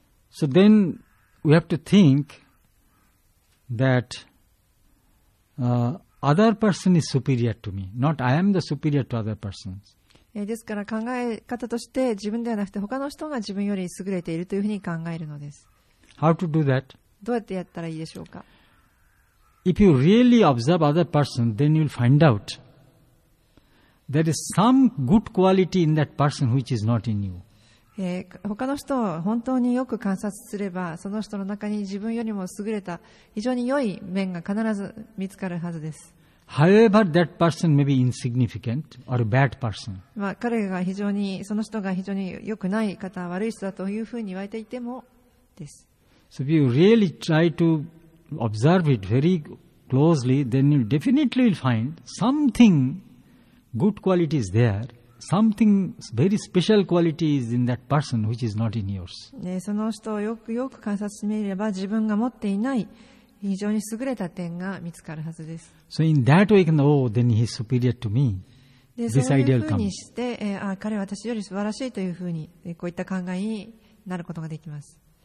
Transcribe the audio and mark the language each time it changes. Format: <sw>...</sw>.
<en>So then we have to think that、other person is superior to me, not I am the superior to other persons、</en> <ja>ですから考え方として自分ではなくて他の人が自分より優れているというふうに考えるのです。</ja> <en>How to do that?</en> <ja>どうやってやったらいいでしょうか。</ja> <en>If you really observe other person, then you'll find out there is some good quality in that person which is not in you.</en> <ja>他の人を本当によく観察すれば、その人の中に自分よりも優れた非常に良い面が必ず見つかるはずです。</ja> <en>However, that person may be insignificant or a bad person.</en> <ja>まあ、彼が非常に、その人が非常に良くない方、悪い人だというふうに言われていてもです。</ja> <en>So if you really try to observe it very closely, then you definitely will find something good quality is there, something very special quality is in that person which is not in yours.</en> <ja>その人をよくよく観察してみれば、自分が持っていない非常に優れた点が見つかるはずです。</ja> <en>So in that way, can, oh, then he is superior to me. This idea will come.</en> <ja>そういうふうにして、あ、彼は私より素晴らしいというふうに、こういった考えになることができます。</ja>